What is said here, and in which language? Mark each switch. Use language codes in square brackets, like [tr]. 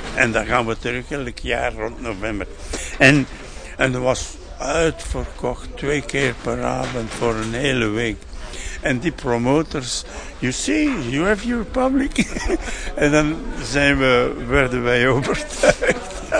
[nl] En dan gaan we terug elk jaar rond november. En er was uitverkocht 2 keer per avond voor een hele week. En die [en] promoters, you see, you have your public. [nl] En dan werden wij overtuigd.